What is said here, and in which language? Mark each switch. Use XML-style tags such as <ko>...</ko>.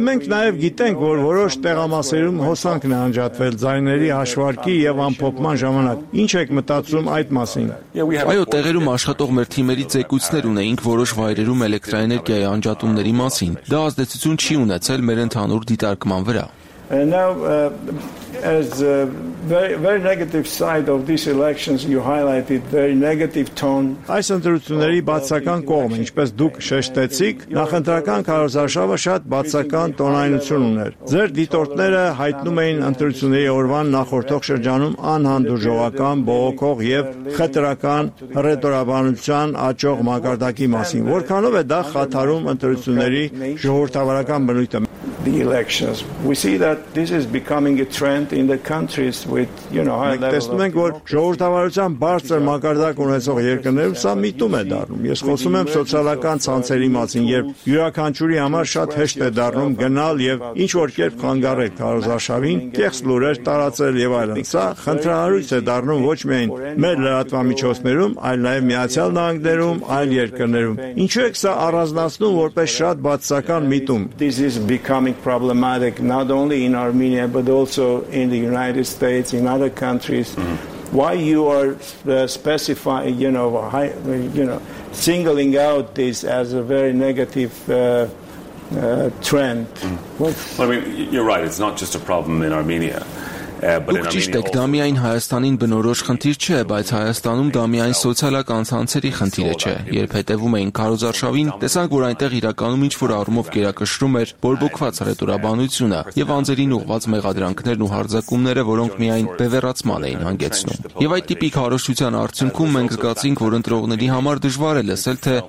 <hy>մենք նաեւ գիտենք, որ որոշ տեղամասերում հոսանքն է անջատվել ձայների հաշվարկի եւ ամփոփման ժամանակ։ Ինչ եք մտածում այդ մասին։ Այո, տեղերում աշխատող մեր թիմերի ձեկուցներ ունեինք որոշ վայրերում էլեկտրաէներգիայի անջատումների մասին։ Դա ազդեցություն չի ունեցել մեր ընդհանուր դիտարկման վրա։</hy> <en>And now, as a very negative side of these elections, you highlighted very negative tone.</en> <hy>Այս ընտրությունների բացական կողմը, ինչպես դուք շեշտեցիք, նախընտրական քարոզարշավը շատ բացական տոնայնություն ուներ։ Ձեր դիտորդները հայտնում էին ընտրությունների օրվան նախորդող շրջանում անհանդուրժողական, բողոքող եւ խտրական ռետորաբանության աճող մակարդակի մասին, որքանով է դա խաթարում ընտրությունների ժողովրդավարական բնույթը։</hy> <en>The elections. We see that this is becoming a trend in the countries with, you know, high level.</en> <hy>Տեսնում ենք, որ ժողովրդավարության բարձր մակարդակ ունեցող երկրներում սա միտում է դառնում։ Ես խոսում եմ սոցիալական ցանցերի մասին, երբ յուրաքանչյուրի համար շատ հեշտ է դառնում գնալ եւ ինչ որ կերպ խանգարել քարոզարշավին, կեղծ լուրեր տարածել եւ այլն։ Սա խնդրահարույց է դառնում ոչ միայն մեր լրատվամիջոցներում, այլ նաեւ Միացյալ Նահանգներում, այլ երկրներում։ Ինչու է սա առանձնացնում որպես շատ բացական միտում։</hy> <en>Becoming problematic not only in Armenia but also in the United States, in other countries. Mm-hmm. Why you are specifying, you know, singling out this as a very negative trend? Mm-hmm. Well, I mean, you're right. It's not just a problem in Armenia.</en> <hy>Դուք ճիշտ եք, դա միայն Հայաստանին բնորոշ խնդիր չէ, բայց Հայաստանում դա միայն սոցիալական ցանցերի խնդիր է չէ։ Երբ հետևում էին քարոզարշավին, տեսանք, որ այնտեղ իրականում ինչ-որ առումով կերակշռում էր բորբոքված ռետորաբանությունը եւ անձերին ուղված մեղադրանքներն ու հարձակումները, որոնք միայն բևեռացման էին հանգեցնում։ Եվ այդ տիպի քարոշության արդյունքում մենք զգացինք, որ ընտրողների համար դժվար է լսել, թե</hy>